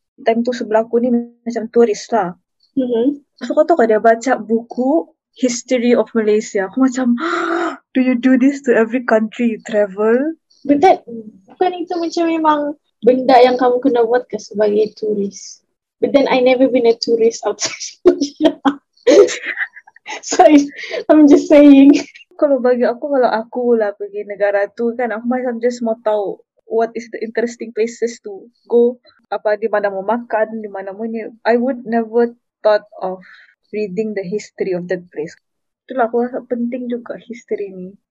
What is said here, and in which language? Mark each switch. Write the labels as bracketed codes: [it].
[ms] Time tu sebelah aku ni macam turis lah. So, kau tahu kan dia baca buku History of Malaysia. Aku macam, [en] do you do this to every country you travel? But that, [ms] bukan itu macam memang benda yang kamu kena buat ke sebagai turis. [en] But then I never been a tourist outside Malaysia. So I'm just saying. [ms] Kalau bagi aku, kalau aku lah pergi negara tu kan, aku macam just mau tahu [en] what is the interesting places to go. [ms] Apa, di mana mau makan, di mana mau ni. [en] I would never thought of reading the history of that place. [ms] Itulah aku rasa penting juga history ni.